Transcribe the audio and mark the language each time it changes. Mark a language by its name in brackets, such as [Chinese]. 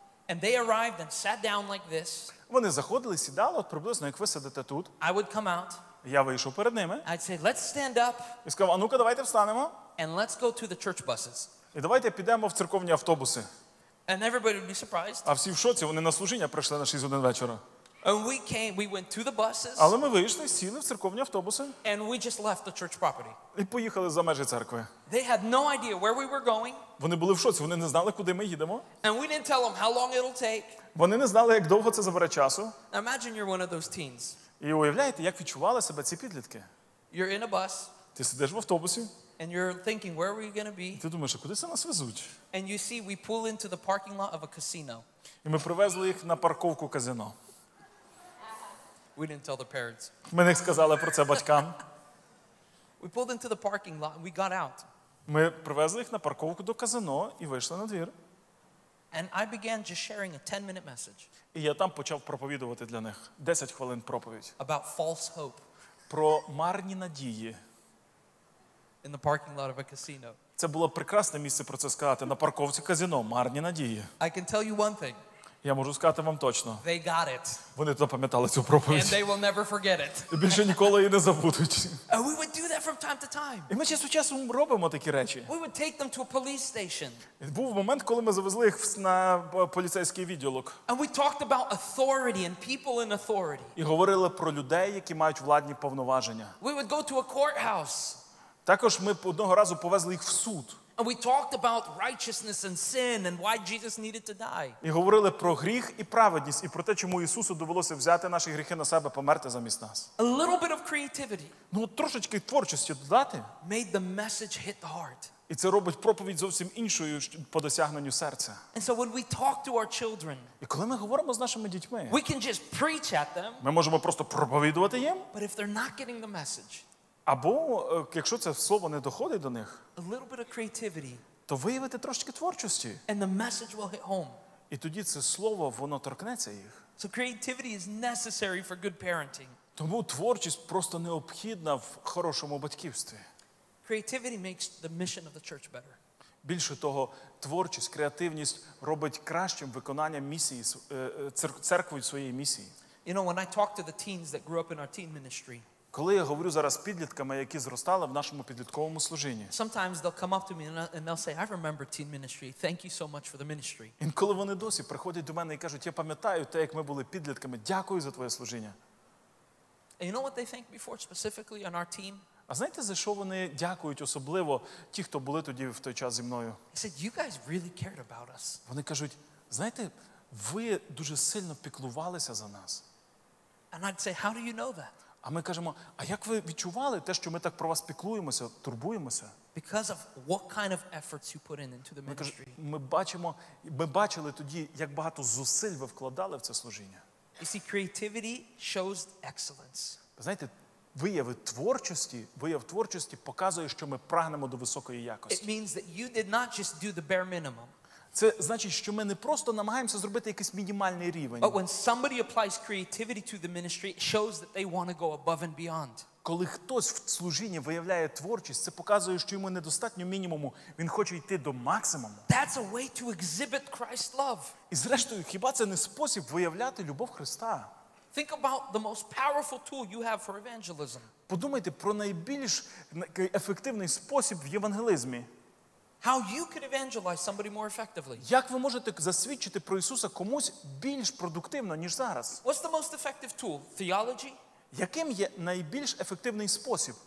[English] And they arrived and sat down like this. [Ukrainian] Вони заходили, сідали от приблизно як ви сидите тут. [English] I would come out. [Ukrainian] Я вийшов перед ними. [English] I'd say, "Let's stand up." [Ukrainian] І сказав: "А ну-ка, давайте встанемо." [English] And let's go to the church buses. [Ukrainian] І давайте підемо в церковні автобуси. [English] And everybody would be surprised. [Ukrainian] А всі в шоці, вони на служіння прийшли на 6 годин вечора. [English] And we went to the buses. [Ukrainian] Але ми вийшли, сіли в церковні автобуси. [English] And we just left the church property. [Ukrainian] І поїхали за межі церкви. [English] They had no idea where we were going. [Ukrainian] Вони були в шоці, вони не знали, куди ми їдемо. [English] And we didn't tell them how long it'll take. [Ukrainian] Вони не знали, як довго це забере часу. [English] Imagine you're one of those teens. [Ukrainian] І уявляєте, як відчували себе ці підлітки. [English] You're in a bus. [Ukrainian] Ти сидиш в автобусі. [English] And you're thinking, where are we going to be? [Ukrainian] Ти думаєш, куди це нас везуть? [English] And you see we pull into the parking lot of a casino. [Ukrainian] І ми привезли їх на парковку казино. [English] We didn't tell the parents. [Ukrainian] Ми не сказали про це батькам. [English] We pulled into the parking lot and we got out. [Ukrainian] Ми привезли їх на парковку до казино і вийшли на двір. [English] And I began just sharing a 10-minute message. [Ukrainian] І я там почав проповідувати для них 10 хвилин проповідь. [English] About false hope. [Ukrainian] Про марні надії. [English] In the parking lot of a casino. [Ukrainian] Це було прекрасне місце про це сказати на парковці казино. Марні надії. [English] I can tell you one thing. [Ukrainian] Я можу сказати вам точно. [English] They got it. [Ukrainian] Вони запам'ятали цю проповідь. [English] And they will never forget it. [Ukrainian] І більше ніколи її не забудуть. [English] And we would do that from time to time. [Ukrainian] І ми часу часу робимо такі речі. [English] We would take them to a police station. [Ukrainian] І був момент, коли ми завезли їх на поліцейський відділок. [English] And we talked about authority and people in authority. [Ukrainian] І говорили про людей, які мають владні повноваження. [English] We would go to a courthouse. [Ukrainian] Також ми одного разу повезли їх в суд. [English] And we talked about righteousness and sin and why Jesus needed to die. [Ukrainian] І говорили про гріх і праведність і про те, чому Ісусу довелося взяти наші гріхи на себе, померти замість нас. [English] A little bit of creativity. [Ukrainian] Ну, трошечки творчості додати. [English] Made the message hit the heart. [Ukrainian] І це робить проповідь зовсім іншою по досягненню серця. [English] And so when we talk to our children, [Ukrainian] і коли ми говоримо з нашими дітьми, [English] we can just preach at them. [Ukrainian] Ми можемо просто проповідувати їм. [English] But if they're not getting the message, [Ukrainian] або якщо це слово не доходить до них, [English] a little bit of creativity, [Ukrainian] то виявити трошечки творчості. [English] And the message will hit home. [Ukrainian] І тоді це слово, воно торкнеться їх. [English] So creativity is necessary for good parenting. [Ukrainian] Тому творчість просто необхідна в хорошому батьківстві. [English] Creativity makes the mission of the church better. [Ukrainian] Більше того, творчість, креативність робить кращим виконання місії церкви своєї місії. [English] You know, when I talk to the teens that grew up in our teen ministry, [Ukrainian] коли я говорю зараз підлітками, які зростали в нашому підлітковому служінні. [English] Sometimes they'll come up to me and they'll say, I remember teen ministry. Thank you so much for the ministry. [Ukrainian] Інколи вони досі приходять до мене і кажуть, я пам'ятаю те, як ми були підлітками. Дякую за твоє служіння. [English] And you know what they thank me for specifically on our team? [Ukrainian] А знаєте, за що вони дякують особливо ті, хто були тоді в той час зі мною? [English] They said, you guys really cared about us. [Ukrainian] Вони кажуть, знаєте, ви дуже сильно піклувалися за нас. [English] And I'd say, how do you know that? [Ukrainian] А ми кажемо, а як ви відчували те, що ми так про вас піклуємося, турбуємося? [English] Because of what kind of efforts you put into the ministry. [Ukrainian] Ми бачили тоді, як багато зусиль ви вкладали в це служіння. [English] You see, creativity shows excellence. [Ukrainian] Знаєте, вияв творчості показує, що ми прагнемо до високої якості. [English] It means that you did not just do the bare minimum. [Ukrainian] Це значить, що ми не просто намагаємося зробити якийсь мінімальний рівень. [English] But when somebody applies creativity to the ministry, it shows that they want to go above and beyond. [Ukrainian] Коли хтось в служінні виявляє творчість, це показує, що йому недостатньо мінімуму, він хоче йти до максимуму. [English] That's a way to exhibit Christ's love. [Ukrainian] І зрештою, хіба це не спосіб виявляти любов Христа? [English] Think about the most powerful tool you have for evangelism. [Ukrainian] Подумайте про найбільш ефективний спосіб в євангелізмі. [English] How you could evangelize somebody more effectively? [Ukrainian] Як ви можете засвідчити про Ісуса комусь більш продуктивно, ніж зараз? [English] What's the most effective tool? Theology? [Ukrainian] Яким є найбільш ефективний спосіб?